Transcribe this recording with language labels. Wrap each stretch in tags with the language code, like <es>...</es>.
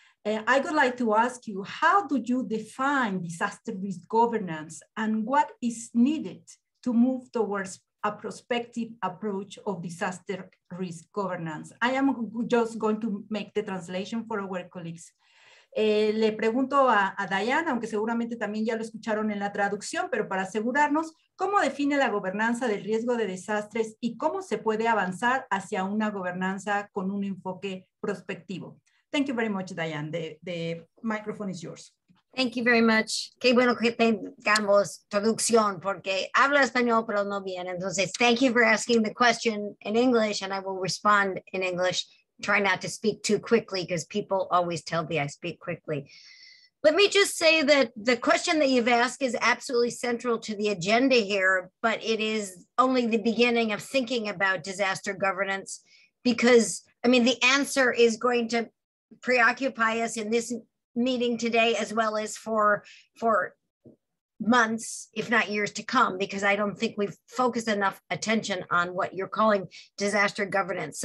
<en>I would like to ask you, how do you define disaster risk governance and what is needed to move towards a prospective approach of disaster risk governance? I am just going to make the translation for our colleagues.</en> <es>Le pregunto a Diane, aunque seguramente también ya lo escucharon en la traducción, pero para asegurarnos, ¿cómo define la gobernanza del riesgo de desastres y cómo se puede avanzar hacia una gobernanza con un enfoque prospectivo?</es> <en>Thank you very much, Diane. The microphone is yours. Thank you very much.</en> <es>Qué bueno que tengamos traducción porque habla español, pero no bien.</es> <en>Entonces, thank you for asking the question in English and I will respond in English. Try not to speak too quickly because people always tell me I speak quickly. Let me just say that the question that you've asked is absolutely central to the agenda here, but it is only the beginning of thinking about disaster governance because, I mean, the answer is going to preoccupy us in this meeting today as well as for months, if not years to come, because I don't think we've focused enough attention on what you're calling disaster governance.</en>